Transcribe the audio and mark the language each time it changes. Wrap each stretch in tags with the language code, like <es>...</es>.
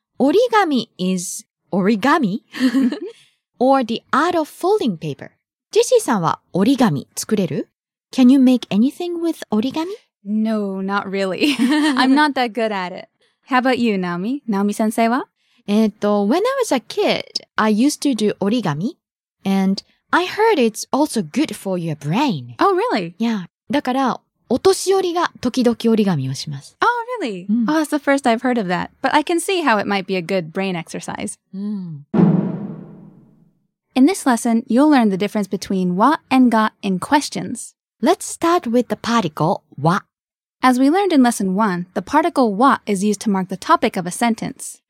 <en>折り紙 is 折り紙 or the art of folding paper.</en> <ja>ジェシーさんは折り紙作れる？</ja> <en>Can you make anything with 折り紙？ No, not really. I'm not that good at it. How about you, Naomi? Naomi-sensei は？ When I was a kid, I used to do 折り紙 andI heard it's also good for your brain. Oh, really?</en> <ja>Yeah. だから、お年寄りが時々折り紙をします。</ja> <en>Oh, really? Really? Mm. Oh, it's the first I've heard of that. But I can see how it might be a good brain exercise. Mm. In this lesson, you'll learn the difference between wa and ga in questions. Let's start with the particle wa. As we learned in lesson one, the particle wa is used to mark the topic of a sentence.</en>